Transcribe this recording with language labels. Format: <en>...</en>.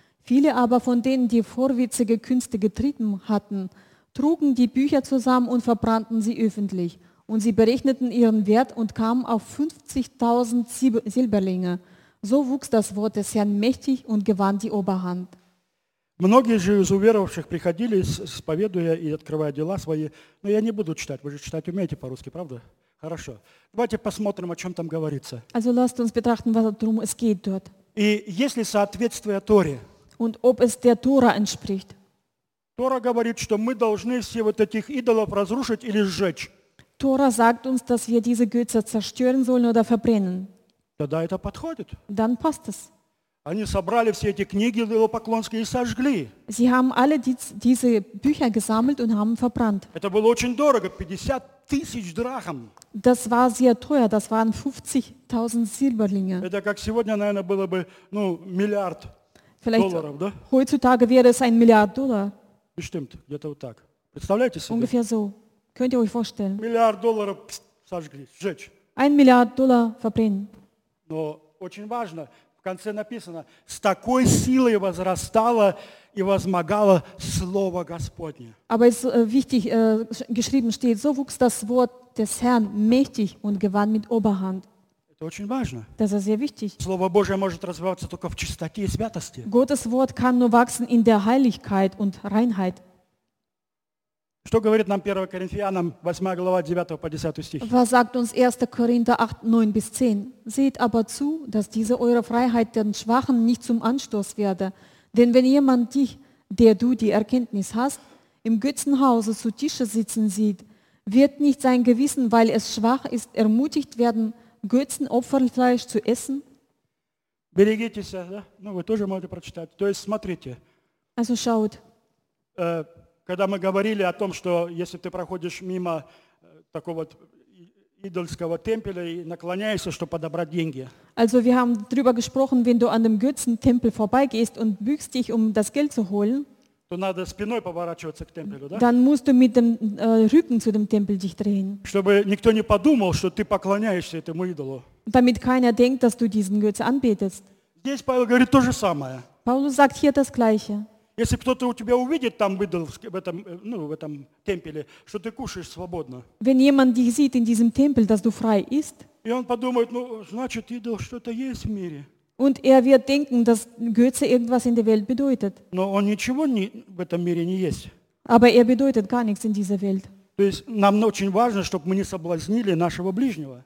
<de>Viele aber von denen, die vorwitzige Künste getrieben hatten, trugen die Bücher zusammen und verbrannten sie öffentlich. Und sie berechneten ihren Wert und kamen auf 50.000 Silberlinge. So wuchs das Wort des Herrn mächtig und gewann die Oberhand.</de> <ru>Многие же из уверовавших приходили, исповедуя и открывая дела свои. Но я не буду читать. Вы же читать умеете по-русски, правда? Хорошо. Давайте посмотрим, о чем там говорится.</ru> <de>Also, lasst uns betrachten, was darum es geht dort.</de> <ru>И есть ли соответствие Торе?</ru> <de>Und ob es der Tora entspricht.</de> <ru>Тора говорит, что мы должны все вот этих идолов разрушить или сжечь.</ru> <de>Tora sagt uns, dass wir diese Götze zerstören sollen oder verbrennen.</de> <ru>Тогда это подходит.</ru> <de>Dann passt es.</de> <ru>Они собрали все эти книги идолопоклонские и сожгли.</ru> <de>Sie haben alle diese Bücher gesammelt und haben verbrannt.</de> <ru>Это было очень дорого, 50 тысяч драхам.</ru> <de>Das war sehr teuer, das waren 50.000 Silberlinge.</de> <ru>Это как сегодня, наверное, было бы, ну, миллиард</ru> <de>Vielleicht</de> <ru>долларов, да?</ru> <de>Heutzutage wäre es ein Milliard Dollar.</de> <ru>Bestimmt, где-то вот так. Представляете себе?</ru> <de>Ungefähr so. Könnt ihr euch vorstellen?</de> <ru>Миллиард долларов сожгли, сжечь.</ru> <de>Ein Milliard Dollar verbrennen.</de> <ru>Но очень важно. В конце написано, с такой силой возрастало и возмогало Слово Господне.</ru> <de>Aber es ist wichtig, geschrieben steht, so wuchs das Wort des Herrn mächtig und gewann mit Oberhand.</de> <ru>Это очень важно.</ru> <de>Das ist sehr wichtig.</de> <ru>Слово Божие может развиваться только в чистоте и святости.</ru> <de>Gottes Wort kann nur wachsen in der Heiligkeit und Reinheit.</de> <ru>Что говорит нам 1 Коринфянам 8 глава 9 по 10 стих?</ru> <de>Was sagt uns 1. Korinther 8, 9 bis 10? Seht aber zu, dass diese eure Freiheit den Schwachen nicht zum Anstoß werde. Denn wenn jemand dich, der du die Erkenntnis hast, im Götzenhause zu Tische sitzen sieht, wird nicht sein Gewissen, weil es schwach ist, ermutigt werden, Götzenopferfleisch zu essen?</de> <ru>Берегитесь, да? Ну, вы тоже можете прочитать. То есть, смотрите.</ru> <de>Also schaut.</de> <ru>Когда мы говорили о том, что если ты проходишь мимо такого вот идольского темпеля и наклоняешься, чтобы подобрать деньги.</ru> <de>Also wir haben darüber gesprochen, wenn du an dem Götzentempel vorbeigehst und bückst dich, um das Geld zu holen.</de> <ru>То надо спиной поворачиваться к темпелю, да?</ru> <de>Dann musst du mit dem Rücken zu dem Tempel dich drehen.</de> <ru>Чтобы никто не подумал, что ты поклоняешься этому идолу.</ru> <de>Damit keiner denkt, dass du diesen Götze anbetest.</de> <ru>Здесь Павел говорит то же самое.</ru> <de>Paulus sagt hier das Gleiche.</de> <ru>Если кто-то у тебя увидит там идол в этом, ну, в этом темпеле, что ты кушаешь свободно.</ru> <de>Wenn jemand dich sieht in diesem Tempel, dass du frei isst.</de> <ru>И он подумает, ну, значит, идол что-то есть в мире.</ru> <de>Und er wird denken, dass Götze irgendwas in der Welt bedeutet.</de> <ru>Но он ничего не, в этом мире не есть.</ru> <de>Aber er bedeutet gar nichts in dieser Welt.</de> <ru>То есть нам очень важно, чтобы мы не соблазнили нашего ближнего.</ru>